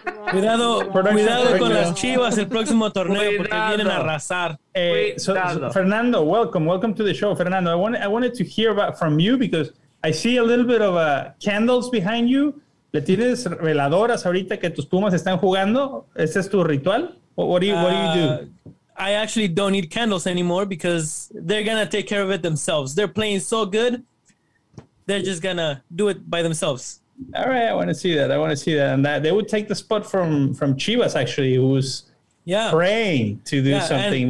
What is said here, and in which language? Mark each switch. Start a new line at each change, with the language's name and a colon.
Spanish: Cuidado con las Chivas el próximo torneo porque vienen a arrasar.
English: Fernando, welcome to the show, Fernando. I wanted to hear about from you because I see a little bit of candles behind you.
Spanish: ¿Le tienes veladoras ahorita que tus Pumas están jugando? ¿Ese es tu ritual?
English: What do you do? I actually don't need candles anymore because they're gonna take care of it themselves. They're playing so good, they're just gonna do it by themselves. All right, I want to see that. And that they would take the spot from Chivas, actually, who's praying to do something.